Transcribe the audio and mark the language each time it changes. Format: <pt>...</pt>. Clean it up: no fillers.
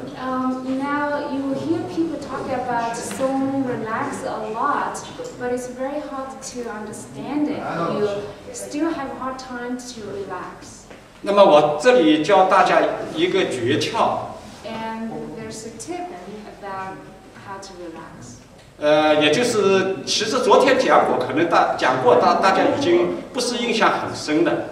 <en>Now you will hear people talk about song relax a lot, but it's very hard to understand it. You still have hard time to relax.</en> <zh>那么我这里教大家一个诀窍。</zh> <en>And there's a tip about how to relax.</en> <zh>也就是，其实昨天讲过，可能大家已经不是印象很深的。</zh>